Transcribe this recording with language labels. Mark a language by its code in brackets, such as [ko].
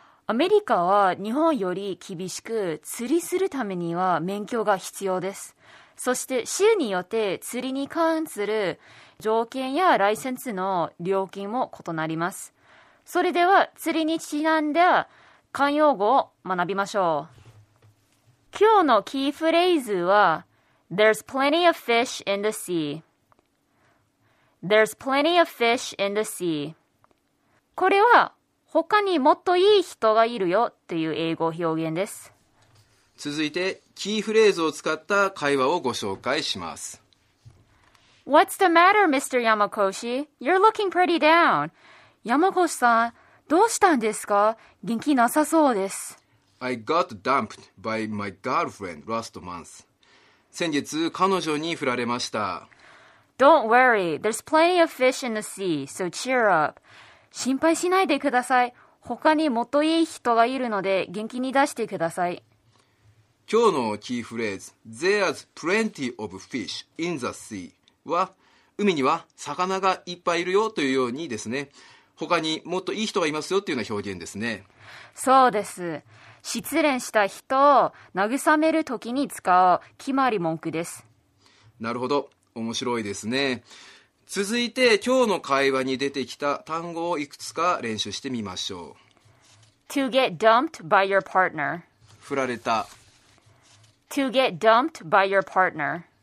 [ja] アメリカは日本より厳しく、釣りするためには免許が必要です。そして州によって釣りに関する条件やライセンスの料金も異なります。それでは釣りにちなんで慣用語を学びましょう。今日のキーフレーズは [en] There's plenty of fish in the sea. There's plenty of fish in the sea. [ja] これは他にもっといい人がいるよという英語表現です。続いてキーフレーズを使った会話をご紹介します。 [en] What's the matter, Mr. Yamakoshi? You're looking pretty down. [ja] 山越さん、どうしたんですか？元気なさそうです。 [en] I got dumped by my girlfriend last month. [ja] 先月彼女に振られました。 [en] Don't worry, there's plenty of fish in the sea, so cheer up. [ja] 心配しないでください。他にもっといい人がいるので元気に出してください。今日のキーフレーズ [en] There's plenty of fish in the sea [ja] は、海には魚がいっぱいいるよというようにですね、他にもっといい人がいますよというような表現ですね。そうです。失恋した人を慰めるときに使う決まり文句です。なるほど、面白いですね。続いて今日の会話に出てきた単語をいくつか練習してみましょう。 [en] To get dumped by your partner. [ja] 振られた。 [en] To get dumped by your partner.